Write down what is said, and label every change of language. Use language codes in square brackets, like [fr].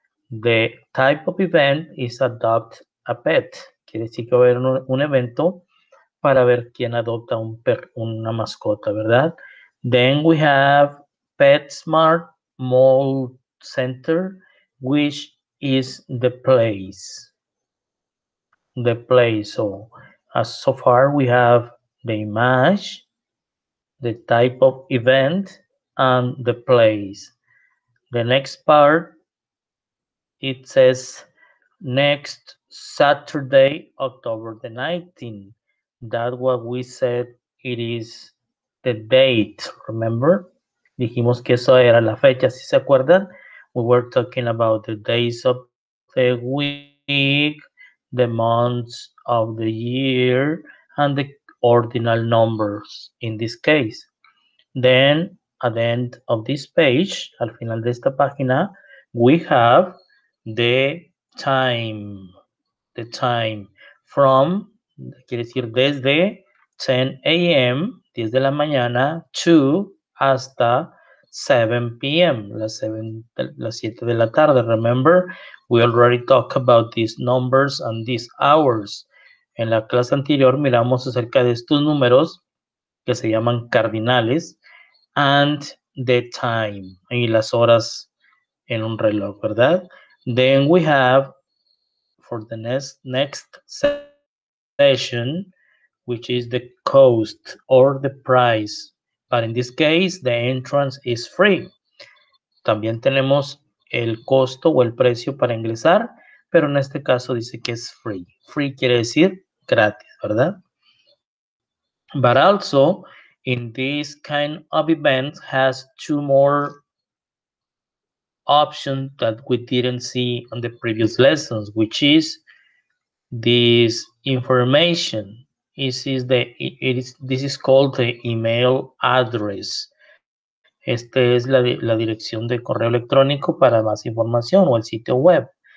[en] The type of event is adopt a pet. [es] Quiere decir que va a haber un evento para ver quién adopta una mascota, ¿verdad? [en] Then we have PetSmart Mall Center, which is the place. The place. So, as so far, we have the image, the type of event, and the place. The next part, it says next Saturday, October the 19th. That's what we said it is the date. Remember? [es] Dijimos que eso era la fecha, ¿sí se acuerdan? [en] We were talking about the days of the week, the months of the year, and the ordinal numbers in this case. Then, at the end of this page, [es] al final de esta página, [en] we have the time from, [es] quiere decir, desde 10 a.m., 10 de la mañana, to hasta 7 p.m., las 7 de la tarde. [en] Remember, we already talked about these numbers and these hours. [es] En la clase anterior miramos acerca de estos números que se llaman cardinales [en] and the time [es] y las horas en un reloj, ¿verdad? [en] Then we have for the next session, which is the cost or the price. But in this case, the entrance is free. [es] También tenemos el costo o el precio para ingresar, pero en este caso dice que es free. Free quiere decir gratis, ¿verdad? [en] But also, in this kind of event, has two more options that we didn't see on the previous lessons, which is this information. This is called the email address. [es] Esta es la dirección de correo electrónico para más información o el sitio web.